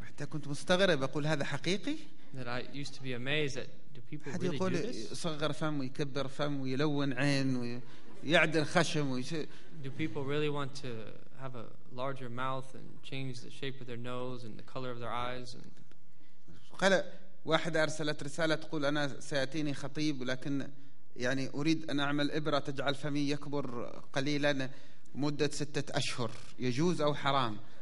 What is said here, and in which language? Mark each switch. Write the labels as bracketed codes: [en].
[ar] حتى كنت مستغرب أقول هذا حقيقي. [en] That I used to be amazed at do people really do this. [ar] حد يقول صغر فم ويكبر فم ويلون عين ويعدل خشم [en] Do people really want to have a larger mouth and change the shape of their nose and the color of their eyes? [ar] قال واحد أرسلت رسالة تقول أنا سيأتيني خطيب ولكن يعني أريد أن أعمل إبرة تجعل فمي يكبر قليلا. مدة ستة أشهر يجوز أو حرام.